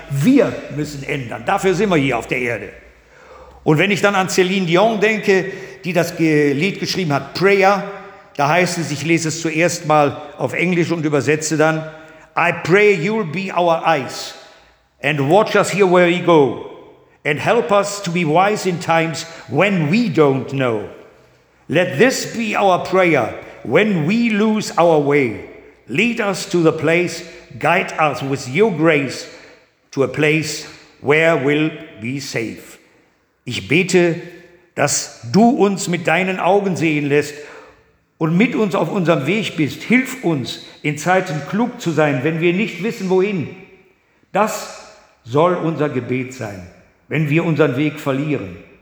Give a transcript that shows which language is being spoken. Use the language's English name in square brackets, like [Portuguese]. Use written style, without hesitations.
[German] Wir müssen ändern. Dafür sind wir hier auf der Erde. Und wenn ich dann an Céline Dion denke, die das Lied geschrieben hat, Prayer, da heißt es, ich lese es zuerst mal auf Englisch und übersetze dann, [English] I pray you'll be our eyes and watch us here where we go and help us to be wise in times when we don't know. Let this be our prayer when we lose our way. Lead us to the place, guide us with your grace to a place where we'll be safe. [German] Ich bete, dass du uns mit deinen Augen sehen lässt und mit uns auf unserem Weg bist. Hilf uns, in Zeiten klug zu sein, wenn wir nicht wissen, wohin. Das soll unser Gebet sein, wenn wir unseren Weg verlieren.